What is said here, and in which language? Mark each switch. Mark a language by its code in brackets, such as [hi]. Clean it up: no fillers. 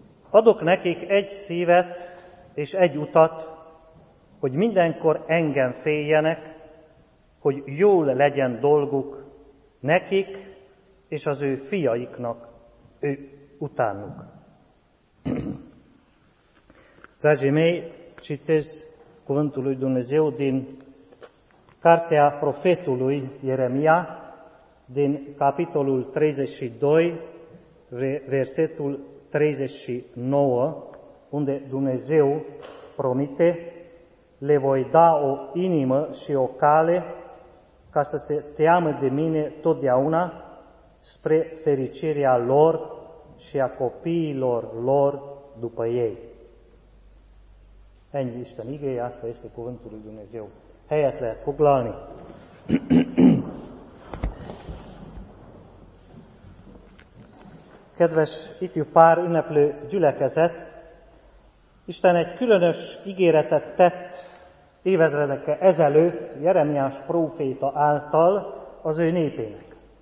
[hu] Adok nekik egy szívet és egy utat, hogy mindenkor engem féljenek, hogy jól legyen dolguk nekik és az ő fiaiknak, ő utánuk. [ro] Dragii mei, citez cuvântul lui Dumnezeu din cartea profetului Ieremia, din capitolul 32, versetul 39, unde Dumnezeu promite, le voi da o inimă și o cale ca să se teamă de mine totdeauna spre fericirea lor și a copiilor lor după ei. [hu] Ennyi Isten igéje, azt a részt a kuvantúrű Dunézió. Helyet lehet foglalni. Kedves ifjú pár, ünneplő gyülekezet, Isten egy különös ígéretet tett évezredekkel ezelőtt Jeremiás próféta által az ő népének.